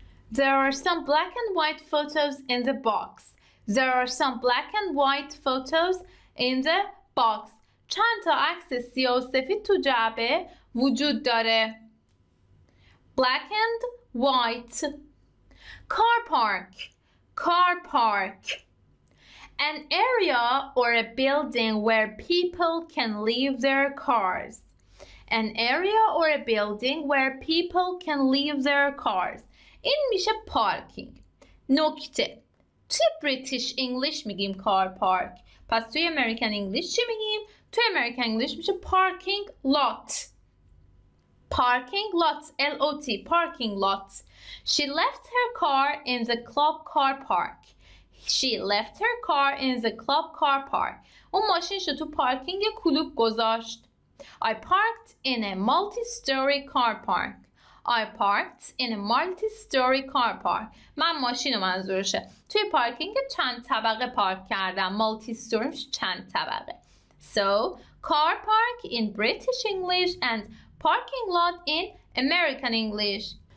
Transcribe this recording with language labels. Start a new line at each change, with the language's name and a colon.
English: There are some black and white photos in the box. There are some black and white photos in the box.
Persian: چند تا عکس سیاه و سفید تو جعبه وجود داره.
English: Black and white. Car park. Car park. An area or a building where people can leave their cars. An area or a building where people can leave their cars.
Persian: این میشه پارکینگ. نکته، توی بریتیش انگلیش میگیم کار پارک، پس توی امریکن انگلیش چی میگیم؟ توی امریکن انگلیش میشه پارکینگ لات. پارکینگ لات، L-O-T، پارکینگ لات.
English: She left her car in the club car park. She left her car in the club car park.
Persian: اون ماشینش رو تو پارکینگ کلوب گذاشت.
English: I parked in a multi-story car park. I parked in a multi-story car park.
Persian: من ماشین رو منظورشه توی پارکینگ چند طبقه پارک کردم.
English: Multi-story چند طبقه. So, car park in British English and parking lot in American English.